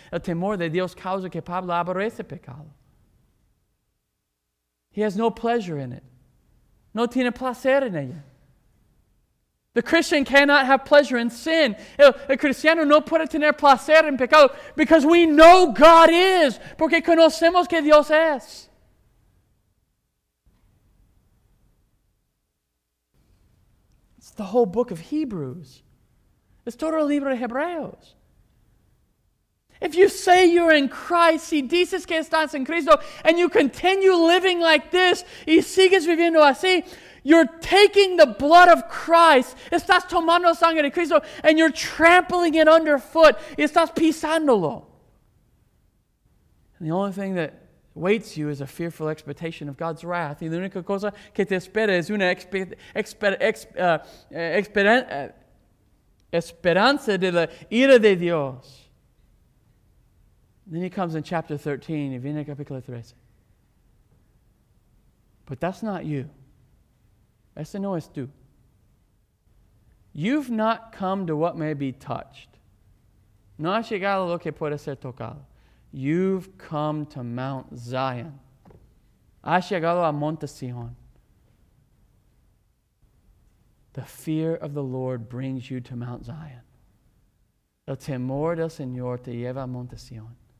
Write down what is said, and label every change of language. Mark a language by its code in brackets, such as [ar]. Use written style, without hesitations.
[es] El temor de Dios causa que Pablo aborrece pecado. [en] He has no pleasure in it. [es] No tiene placer en ella. [en] The Christian cannot have pleasure in sin. [es] El cristiano no puede tener placer en pecado [en] because we know God is, [es] porque conocemos que Dios es. [en] It's the whole book of Hebrews. It's [es] todo el libro de Hebreos. [en] If you say you're in Christ, [es] si dices que estás en Cristo, [en] and you continue living like this, [es] y sigues viviendo así, [en] you're taking the blood of Christ, [es] estás tomando sangre de Cristo, [en] and you're trampling it underfoot, [es] estás pisándolo. [en] And the only thing that waits you is a fearful expectation of God's wrath. [es] Y la única cosa que te espera es una esperanza de la ira de Dios. [en] Then he comes in chapter 13, [es] y viene capítulo 13. [en] But that's not you. [es] Ese no es tú. [en] You've not come to what may be touched. [es] No has llegado lo que puede ser tocado. [en] You've come to Mount Zion. [es] Has llegado a Monte Sion. [en] The fear of the Lord brings you to Mount Zion. [es] El temor del Señor te lleva a Monte Sion.